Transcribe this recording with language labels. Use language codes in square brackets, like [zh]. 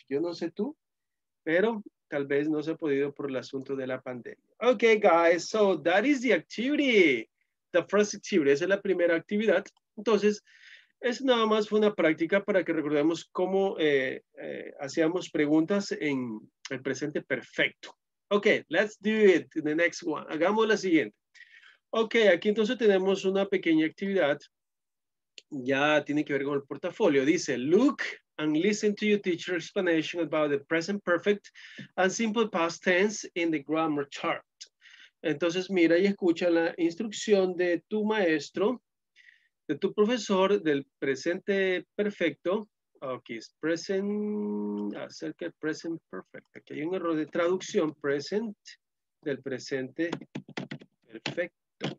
[es] Yo no sé tú, pero tal vez no se ha podido por el asunto de la pandemia. [en] Okay, guys, so that is the activity. The first activity, [es] esa es la primera actividad. Entonces, es nada más fue una práctica para que recordemos cómo hacíamos preguntas en el presente perfecto. [en] Okay, let's do it in the next one. [es] Hagamos la siguiente. Okay, aquí entonces tenemos una pequeña actividad. Ya tiene que ver con el portafolio. Dice, [en] look and listen to your teacher's explanation about the present perfect and simple past tense in the grammar chart. [es] Entonces, mira y escucha la instrucción de tu maestro, de tu profesor del presente perfecto. Aquí es present, acerca del present perfect. Aquí hay un error de traducción, present, del presente perfecto.